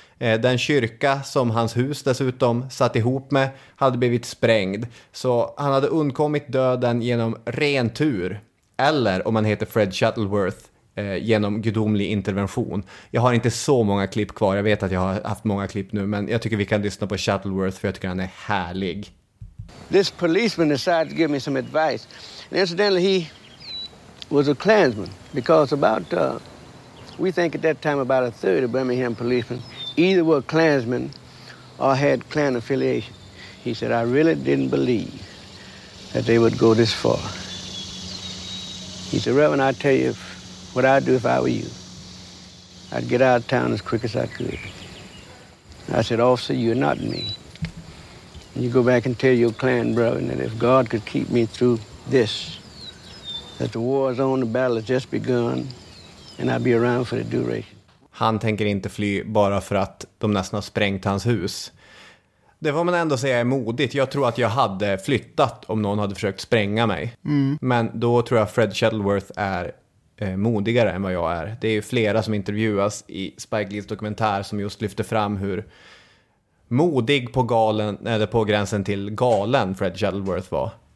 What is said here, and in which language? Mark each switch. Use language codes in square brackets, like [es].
[sv] Den kyrka som hans hus dessutom satt ihop med hade blivit sprängd. Så han hade undkommit döden genom ren tur, eller om han heter Fred Shuttleworth, genom gudomlig intervention. Jag har inte så många klipp kvar. Jag vet att jag har haft många klipp nu, men jag tycker vi kan lyssna på Shuttleworth, för jag tycker han är härlig. [en] This policeman decided to give me some advice. And incidentally, he was a Klansman, because about we think at that time about a third of Birmingham policemen either were Klansmen or had Klan affiliation. He said, I really didn't believe that they would go this far. He said, Reverend, I tell you, what I'd do if I were you, I'd get out of town as quick as I could. I said, officer, you're not me. And you go back and tell your clan, brother, that if God could keep me through this, that the war is on, the battle has just begun, and I'd be around for the duration. [sv] Han tänker inte fly bara för att de nästan har sprängt hans hus. Det får man ändå säga är modigt. Jag tror att jag hade flyttat om någon hade försökt spränga mig. Mm. Men då tror jag Fred Shuttleworth är modigare än vad jag är. Det är ju flera som intervjuas i Spike Lees dokumentär som just lyfter fram hur modig på galen, eller på gränsen till galen, Fred Shuttleworth var.